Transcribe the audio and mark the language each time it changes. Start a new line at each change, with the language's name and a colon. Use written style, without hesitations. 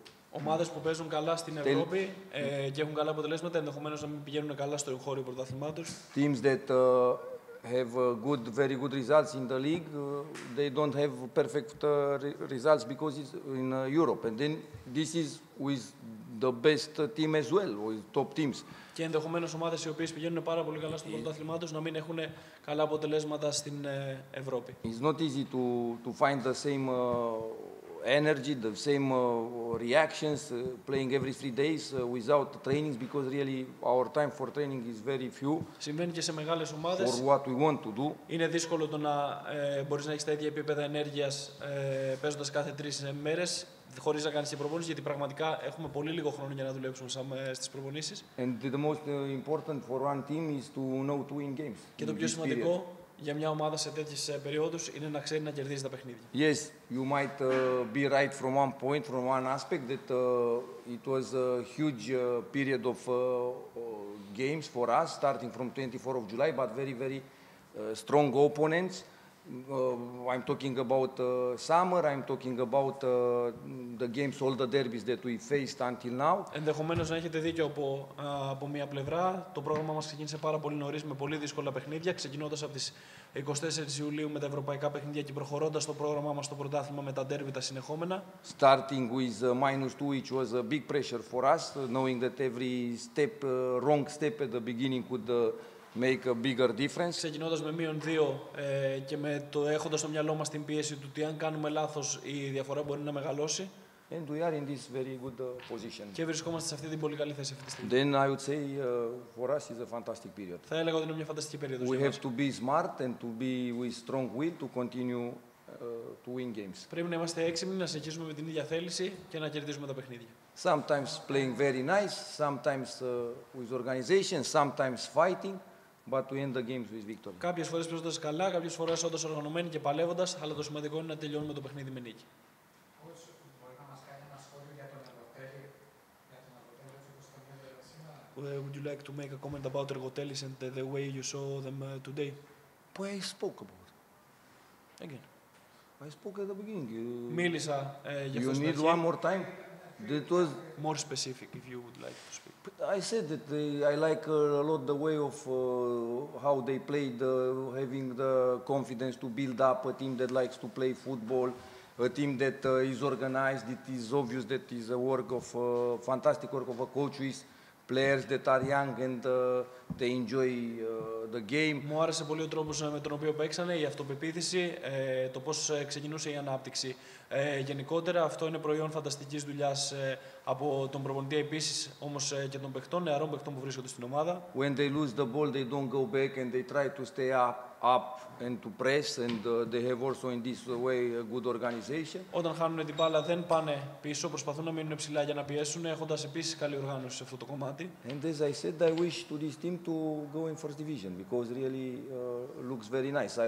Greek: Ομάδες που παίζουν καλά στην Ευρώπη και έχουν καλά αποτελέσματα ενδεχομένως να μην πηγαίνουν καλά στο χώρο πρωταθλημάτους.
English: Teams that have good, very good results in the league. They don't have perfect results because it's in Europe. And then this is with the best team as well, with top teams.
Greek: Και ενδεχομένως ομάδες οι οποίες πηγαίνουν πάρα πολύ καλά στο πρωτάθλημά τους να μην έχουν καλά αποτελέσματα στην Ευρώπη.
English: It's not easy to find the same energy, the same reactions, playing every 3 days without trainings, because really our time for training is very few.
Greek: Συμβαίνει και σε μεγάλες ομάδες.
English: For what we want to do.
Greek: Είναι δύσκολο το να μπορείς να έχεις τα ίδια επίπεδα ενέργειας παίζοντας κάθε 3 μέρες, χωρίς να κάνεις την προπόνηση, γιατί πραγματικά έχουμε πολύ λίγο χρόνο για να δουλέψουμε στις προπονήσεις.
English: And the most important for one team is to know to win games.
Greek: Και το πιο σημαντικό για μια ομάδα σε τέτοιες περιόδους είναι να ξέρει να κερδίζει τα παιχνίδια.
English: Yes, you might be right from one point, from one aspect, that it was a huge period of games for us, starting from 24 of July, but very, very strong opponents. I'm talking about summer, I'm talking about the games, all the derbies that we faced until now.
Greek: Ενδεχομένως να έχετε δίκιο από μια πλευρά. Το πρόγραμμα μας ξεκίνησε πάρα πολύ νωρίς με πολύ δύσκολα παιχνίδια, ξεκινώντας από τις 24 Ιουλίου με τα ευρωπαϊκά παιχνίδια και προχωρώντας το πρόγραμμα μας στο πρωτάθλημα με τα derby τα συνεχόμενα.
English: Starting with -2, which was a big pressure for us, knowing that every step, wrong step at the beginning could make a bigger difference.
Greek: Ξεκινώντας με -2 και με το έχοντας στο μυαλό μας την πίεση του ότι αν κάνουμε λάθος η διαφορά μπορεί να μεγαλώσει.
English: And we are in this very good position.
Greek: Και βρισκόμαστε σε αυτή την πολύ καλή θέση αυτή τη στιγμή.
English: Then I would say for us is a fantastic period.
Greek: Θα έλεγα ότι είναι μια φανταστική περίοδος.
English: We have to be smart and to be with strong will to continue to win games.
Greek: Πρέπει να είμαστε έξυπνοι, να συνεχίσουμε με την ίδια θέληση και να κερδίζουμε τα παιχνίδια.
English: Sometimes playing very nice, sometimes with organization, sometimes fighting. But we end the games with victory.
Greek: Κάποιες φορές παίζοντας καλά, κάποιες φορές όντως οργανωμένοι και παλεύοντας, αλλά το σημαντικό είναι να τελειώνουμε το παιχνίδι με νίκη. Πώς μπορεί να μας κάνει ένα σχόλιο για τον Αλβοτέλη, για τον Αλβοτέλη,
English: Would you like to make a comment about Ergotelis and the way you saw them today? Well, I spoke about it. Again. I spoke at the beginning.
Greek: Μίλησα για
English: αυτό. You need one more time? That was more specific, if you would like to speak. But I said that I like a lot the way of how they played, having the confidence to build up a team that likes to play football, a team that is organized. It is obvious that is a work of fantastic work of a coach with players that are young and they enjoy the game.
Greek: Μου άρεσε πολύ ο τρόπος με τον οποίο παίξανε, η αυτοπεποίθηση, το πώς ξεκινούσε η ανάπτυξη. Γενικότερα αυτό είναι προϊόν φανταστικής δουλειάς από τον προπονητή επίσης, όμως και των παιχτών, νεαρών παιχτών που βρίσκονται στην ομάδα.
English: When they lose the ball, they don't go back and they try to stay up and to press and they have also in this way a good organization.
Greek: Όταν χάνουν την μπάλα δεν πάνε πίσω, προσπαθούν να μείνουν ψηλά για να πιέσουν, έχοντας επίσης καλή οργάνωση σε αυτό το κομμάτι.
English: And as I said, I wish to this team to go in first division because really looks very nice.